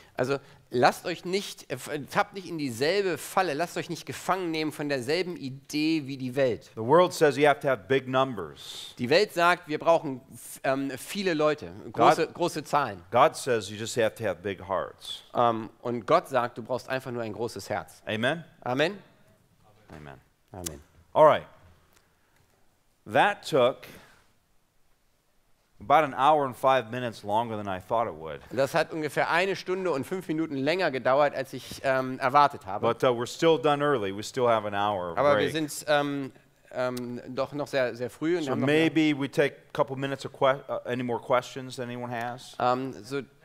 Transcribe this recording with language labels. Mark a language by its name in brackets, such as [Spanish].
[German] Also lasst euch nicht, tappt nicht in dieselbe Falle, lasst euch nicht gefangen nehmen von derselben Idee wie die Welt. [English] The world says you have to have big numbers. [German] Die Welt sagt, wir brauchen viele Leute, große Zahlen. [English] God says you just have to have big hearts. [German] Und Gott sagt, du brauchst einfach nur ein großes Herz. [English] Amen. Amen. Amen. Amen. All right. That took about an hour and 5 minutes longer than I thought it would. [German] Das hat ungefähr eine Stunde und fünf Minuten länger gedauert, als ich erwartet habe. [English] But we're still done early. We still have an hour. [German] Aber [English] break. [German] Wir sind doch noch sehr sehr früh. Und [English] so maybe we take a couple minutes of any more questions than anyone has. [German] So